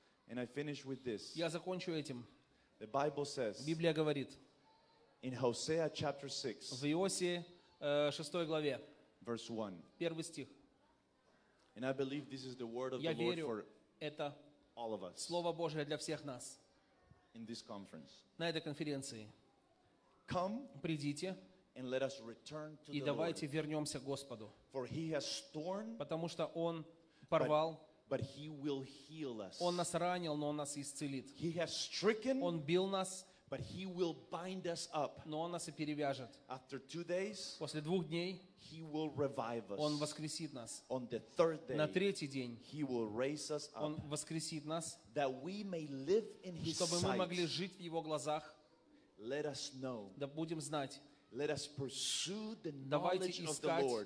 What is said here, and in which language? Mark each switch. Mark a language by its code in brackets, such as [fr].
[ru] Я закончу этим. Библия говорит в Иосе 6 главе, первый стих. [en] And I believe this is the word of the Lord for all of us. [ru] Слово Божие для всех нас. [en] In this conference. [ru] На этой конференции. [en] Come. [ru] Придите. [en] And let us return to the Lord. [ru] И давайте вернемся к Господу. [en] For He has torn. [ru] Потому что Он порвал. [en] But He will heal us. [ru] Он нас ранил, но Он нас исцелит. [en] He has stricken. [ru] Он бил нас. [en] But He will bind us up. [ru] Но Он нас и перевяжет. [en] After 2 days. [ru] После двух дней. [en] He will revive us. [ru] Он воскресит нас. [en] On the third day. [ru] На третий день. [en] He will raise us up. [ru] Он воскресит нас. [en] That we may live in His sight. [ru] Чтобы мы могли жить в Его глазах. [en] Let us know. [ru] Да будем знать. [en] Let us pursue the knowledge of the Lord.